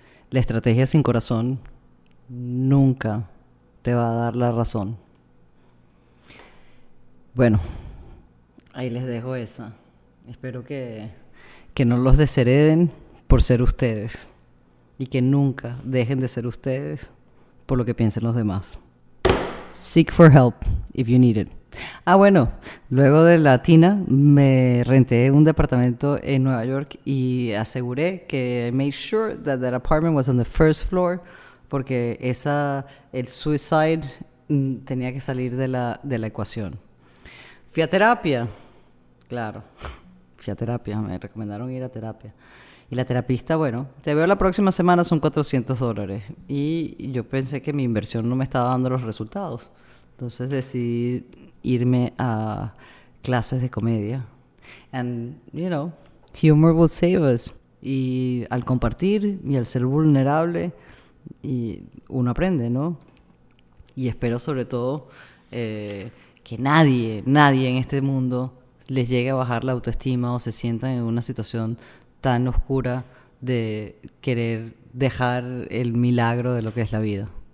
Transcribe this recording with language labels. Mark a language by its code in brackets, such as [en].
[es] La estrategia sin corazón nunca te va a dar la razón. Bueno, ahí les dejo esa. Espero que no los deshereden por ser ustedes y que nunca dejen de ser ustedes por lo que piensen los demás. [en] Seek for help if you need it. [es] Ah, bueno, luego de la tina me renté un departamento en Nueva York y aseguré que [en] I made sure that apartment was on the first floor [es] porque el suicide tenía que salir de la ecuación. Fui a terapia, claro, fui a terapia, me recomendaron ir a terapia. Y la terapista, bueno, te veo la próxima semana, son $400. Y yo pensé que mi inversión no me estaba dando los resultados. Entonces decidí irme a clases de comedia. [en] And, you know, humor will save us. [es] Y al compartir y al ser vulnerable, y uno aprende, ¿no? Y espero sobre todo que nadie, nadie en este mundo les llegue a bajar la autoestima o se sientan en una situación tan oscura de querer dejar el milagro de lo que es la vida.